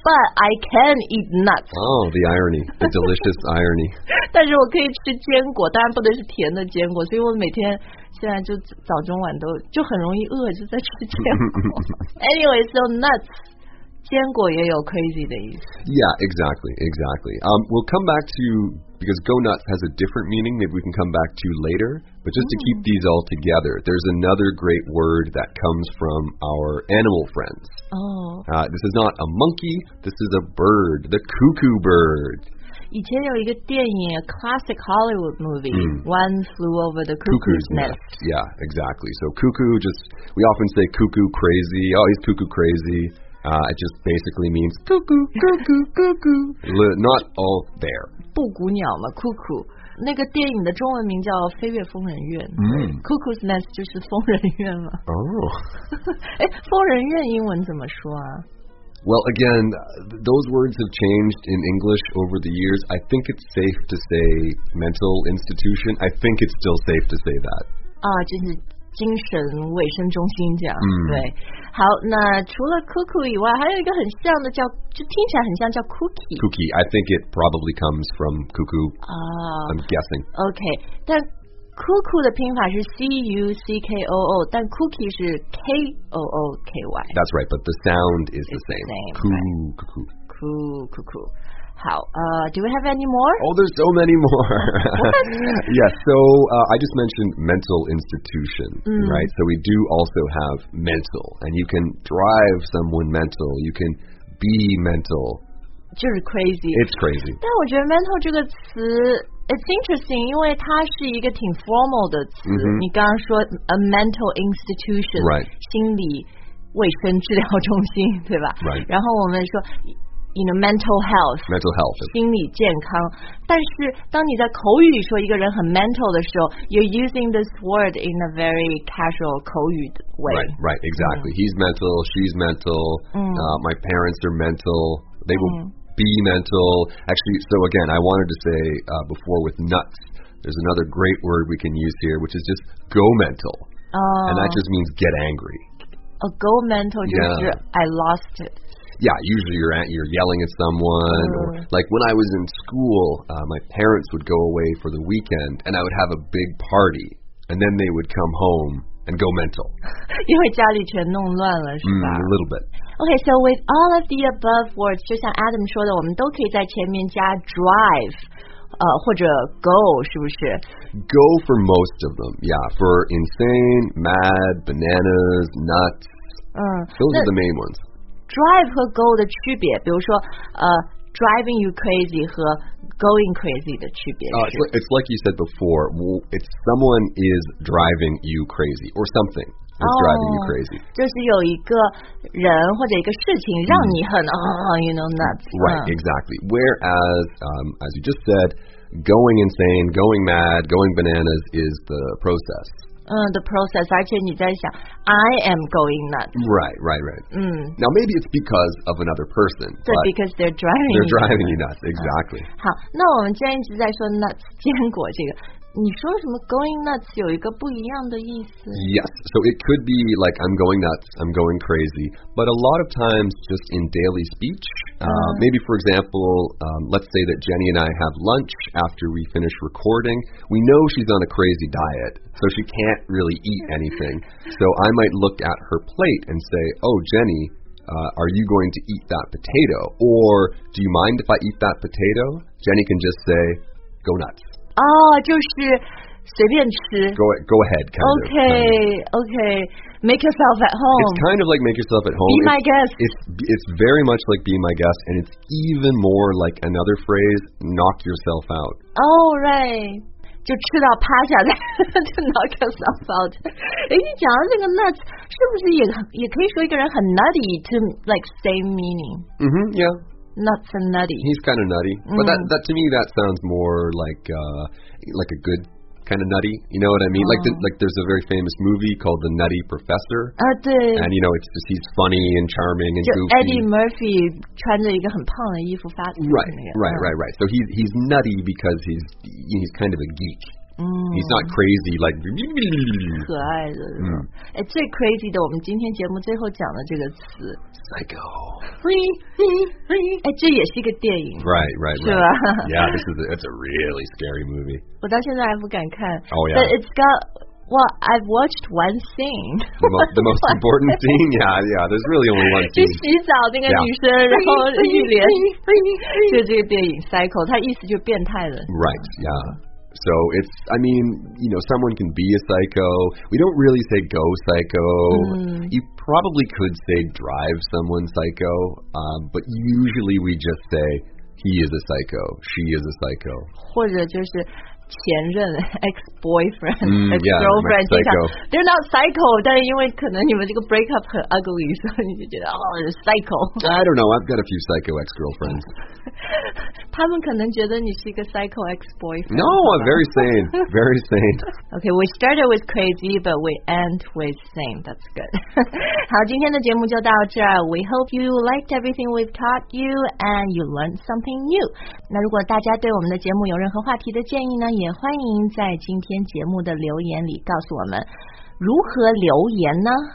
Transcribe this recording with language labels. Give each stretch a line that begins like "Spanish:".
English: But I can eat nuts. Oh, the irony. The delicious irony.
Chinese: 但是我可以吃坚果当然不能是甜的坚果所以我每天现在就早中晚都就很容易饿就在吃坚果。
English: Anyway, so nuts.
Chinese: 坚果也有 crazy 的意思
English: Yeah, exactly. We'll come back to, because go nuts has a different meaning, maybe we can come back to later, but just to keep these all together, there's another great word that comes from our animal friends. This is not a monkey, this is a bird, the cuckoo bird.
Chinese: 以前有一个电影,
English: a classic Hollywood movie, One Flew Over the Cuckoo's Nest. Yeah, exactly. So cuckoo, just, we often say cuckoo crazy, oh, he's cuckoo crazy. It just basically means cuckoo, cuckoo, cuckoo. Not all there.
Chinese: 布谷鸟嘛 cuckoo. 那个电影的中文名叫《飞越疯人院》。 Cuckoo's Nest 就是疯人院嘛。
English: Oh.
Chinese: 哎，疯人院英文怎么说啊？
English: Well, again, those words have changed in English over the years. I think it's safe to say mental institution. I think it's still safe to say that.
Chinese: 啊，就是。精神卫生中心这样对好那除了 cuckoo 以外还有一个很像的叫就听起来很像叫 cookie
English: I think it probably comes from cuckoo、I'm guessing
Chinese: OK 但 cuckoo 的拼法是 c-u-c-k-o-o 但 cookie 是 k-o-o-k-y
English: That's right but the sound is the same, cuckoo好do we have any more? Oh, there's so many more. What? Yeah, so I just mentioned mental institution, right? So we do also have mental, and you can drive someone mental, you can be mental.
Chinese: 就是 crazy.
English: It's crazy.
Chinese: 但我觉得 mental 这个词
English: it's interesting,
Chinese: 因为它是一个挺 formal 的词。你刚刚说 a mental institution,
English: right.
Chinese: 心理卫生治疗中心，对吧？
English: Right.
Chinese: 然后我们说
English: you know, mental health. Mental health.
Chinese: 心理健康。但是当你在口语里说一个人很 mental 的时候
English: you're using this word in a very casual
Chinese: 口语的 way.
English: Right, right, exactly.、Mm. He's mental, she's mental,、mm. My parents are mental, they will、mm. be mental. Actually, so again, I wanted to say、before with nuts, there's another great word we can use here, which is just go mental.、And that just means get angry. Go mental, I lost it. Yeah, usually you're yelling at someone. Or, like when I was in school,、my parents would go away for the weekend and I would have a big party and then they would come home and go mental.
Chinese: 因为家里全弄乱了是吧、
English: mm, a little bit. Okay, so with all of the above words,
Chinese: 就像 Adam 说的我们都可以在前面加 drive,或者 go 是不是
English: go for most of them yeah for insane mad bananas nuts、those are the main ones
Chinese: drive 和 go 的区别比如说、driving you crazy 和 going crazy 的区别、
English: it's like you said before it's someone is driving you crazy or somethingDriving you crazy.
Chinese: 就是有一个人或者一个事情让你很、
English: you know, nuts. Right, exactly. Whereas,、as you just said, going insane, going mad, going bananas is the process.、 the process,
Chinese: 而且你在想
English: I am going nuts. Right, right, right.、Mm. Now, maybe it's because of another person. So because they're driving you nuts. They're driving you nuts, exactly.、
Chinese: 好那我们既然一直在说 nuts, 坚果这个。你说什么 going nuts 有一个不一样的意思
English: Yes, so it could be like I'm going nuts, I'm going crazy But a lot of times just in daily speech、maybe for example、let's say that Jenny and I have lunch after we finish recording We know she's on a crazy diet So she can't really eat anything So I might look at her plate and say Oh Jenny,、are you going to eat that potato? Or do you mind if I eat that potato? Jenny can just say go nuts
Chinese: 就是随便吃。
English: Go ahead, kind of. Okay. Make yourself at home. It's kind of like make yourself at home. Be my guest. It's very much like be my guest, and it's even more like another phrase, knock yourself out. Oh, right.
Chinese: 就吃到趴下来就 knock yourself out. 诶你讲的那个 nuts, 是不是 也可以说一个人很 nutty
English: to like same meaning? Mm-hmm, yeah. Nuts and nutty. He's kind of nutty.、Mm. But that to me, that sounds more like a good kind of nutty. You know what I mean?、Like there's a very famous movie called The Nutty Professor.、
Chinese: 对。
English: And, you know, it's just he's funny and charming and goofy.
Chinese: Eddie Murphy 穿着一个很胖的衣服发出去。
English: Right. So he's nutty because he's kind of a geek.、Mm. He's not crazy like...
Chinese: 可爱的。最 crazy 的我们今天节目最后讲的这个词。
English: Psycho.
Chinese: 哎，这也是一个电影
English: right
Chinese: 是吧
English: yeah this is it's a really scary movie
Chinese: 我到现在还不敢看
English: oh yeah but it's got well I've watched one scene the most important scene yeah there's really only one scene
Chinese: 去洗澡那个女生、yeah. 然后一脸就这个电影 Psycho 它意思就变态了
English: right yeah so it's I mean you know someone can be a psycho we don't really say go psycho、mm. you probably could say drive someone psycho、but usually we just say he is a psycho she is a psycho
Chinese: 或者就是前任 ex-boyfriend ex-girlfriend、
English: yeah, psycho. They're not psycho
Chinese: 但因为可能你们这个 break up 很 ugly 所以你就觉得 oh psycho
English: I don't know I've got a few psycho ex-girlfriends
Chinese: 他们可能觉得你是一个 psycho ex-boyfriend
English: No I'm very sane Okay we started with crazy but we end with sane That's good
Chinese: 好今天的节目就到这儿
English: We hope you liked everything we've taught you and you learned something new
Chinese: 那如果大家对我们的节目有任何话题的建议呢也欢迎在今天节目的留言里告诉我们如何留言呢